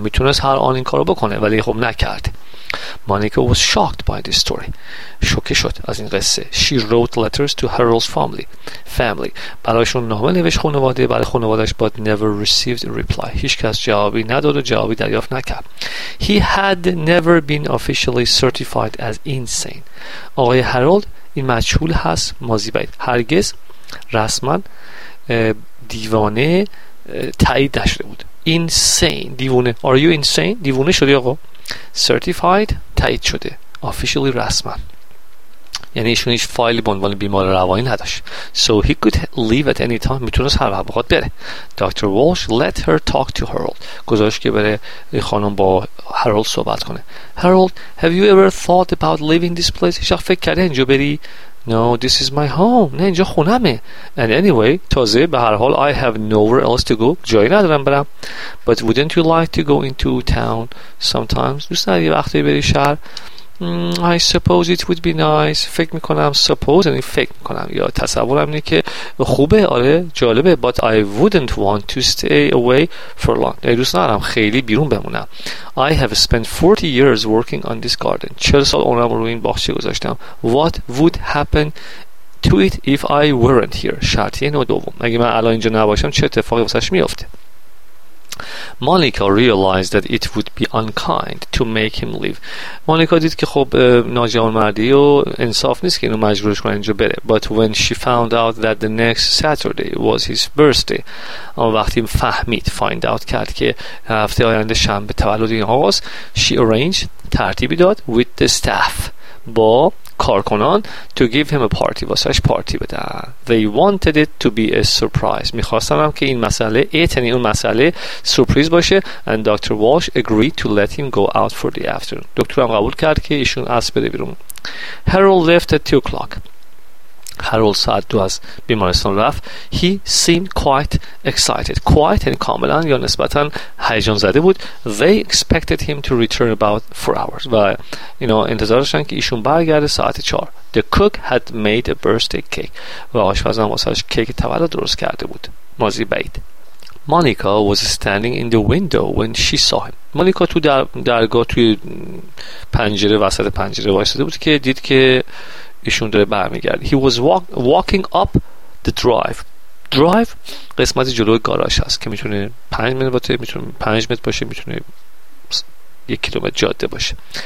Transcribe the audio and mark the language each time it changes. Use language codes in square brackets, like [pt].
[fa] میتونست هر آن این کارو بکنه ولی خب نکرد. [en] Monica was shocked by this story. [fa] شوکه شد از این قصه. [en] She wrote letters to Harold's family. [fa] برایشون نامه نوشت خانواده، برای خانواده‌اش، [en] but never received a reply. [fa] هیچ کس جوابی نداد و جوابی دریافت نکرد. [en] He had never been officially certified as insane. [fa] آقای هارولد این مجهول هست، ماضی بعید. هرگز رسما دیوانه تایید نشده بود. Insane، دیوانه. [en] Are you insane؟ [fa] دیوانه شدی آقا. Certified، تایید شده. Officially رسما. یعنی ایشون هیچ فایلی به عنوان بیمار روانی نداشت. [en] So he could leave at any time. [fa] میتونست هر وقت بخواد بره. [en] Dr. Walsh let her talk to Harold. [fa] گذاشت که بره خانم با هارولد صحبت کنه. [en] Harold, have you ever thought about leaving this place? [fa] هیچ وقت فکر کرده اینجا بری؟ [en] No, this is my home. [fa] نه اینجا خونمه. [en] And anyway, [fa] تازه به هر حال [en] I have nowhere else to go. [fa] جایی ندارم برم. [en] But wouldn't you like to go into town sometimes? [fa] دوست نداری وقتی بری شهر؟ [en] I suppose it would be nice. [fa] فکر میکنم suppose یعنی فکر میکنم یا تصورم اینه که خوبه، آره جالبه. [en] But I wouldn't want to stay away for long. [fa] دوست ندارم خیلی بیرون بمونم. [en] I have spent 40 years working on this garden. [fa] 40 سال عمرم رو این باغچه گذاشتم. [en] What would happen to it if I weren't here? [fa] شرطیه نو دوم، اگه من الان اینجا نباشم چه اتفاقی واسش میفته؟ [en] Monica realized that it would be unkind to make him leave. [fa] Monica دید که خب ناجوانمردی و انصاف نیست که اینو مجبورش کنه اینجا بره. [en] But when she found out that the next Saturday was his birthday. [fa] اما وقتی فهمید find out کرد که هفته آینده شنبه تولد این آقاست، [en] she arranged [fa] ترتیبی داد [en] with the staff [fa] با کارکنان [en] to give him a party. [fa] واسهش پارتی بدن. [en] They wanted it to be a surprise. [fa] میخواستم که این مسئله ایتنی اون مسئله سورپریز باشه. [en] And Dr. Walsh agreed to let him go out for the afternoon. [fa] دکترم قبول کرد که ایشون اسب بده بیرون. [en] Harold left at 2 o'clock. [fa] هارولد ساعت 2 از بیمارستان رفت. [en] He seemed quite excited. [fa] Quite and کاملا یا نسبتا هیجان زده بود. [en] They expected him to return about 4 hours. [fa] و [en] you know [fa] انتظار داشتن که ایشون برگرده ساعت 4. [en] The cook had made a birthday cake. [fa] و آشپز هم واسه کیک تولد درست کرده بود. ماضی بعید. [en] Monica was standing in the window when she saw him. [fa] مونیکا تو درگاه توی پنجره وسط پنجره وایساده بود که دید که ایشون داره برمیگرده. [en] He was walking up the drive. [fa] Drive قسمت جلوی گاراژ هست که میتونه 5 متر باشه، میتونه 5 متر باشه، میتونه 1 کیلومتر جاده باشه.